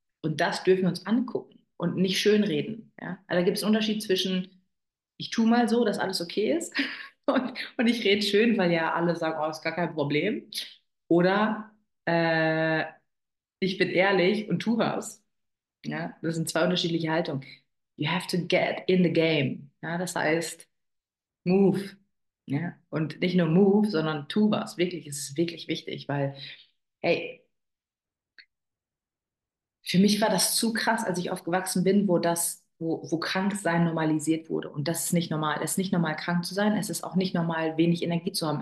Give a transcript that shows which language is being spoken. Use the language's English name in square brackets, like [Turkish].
[German] Und das dürfen wir uns angucken und nicht schönreden. Ja? Also da gibt es einen Unterschied zwischen, ich tue mal so, dass alles okay ist, und ich rede schön, weil ja alle sagen, oh, ist gar kein Problem. Oder ich bin ehrlich und tu was. Ja, das sind zwei unterschiedliche Haltungen. [English] You have to get in the game. [German] Ja, das heißt, move. Ja, und nicht nur move, sondern tu was. Wirklich, es ist wirklich wichtig, weil, hey, für mich war das zu krass, als ich aufgewachsen bin, wo krank sein normalisiert wurde. Und das ist nicht normal. Es ist nicht normal, krank zu sein. Es ist auch nicht normal, wenig Energie zu haben.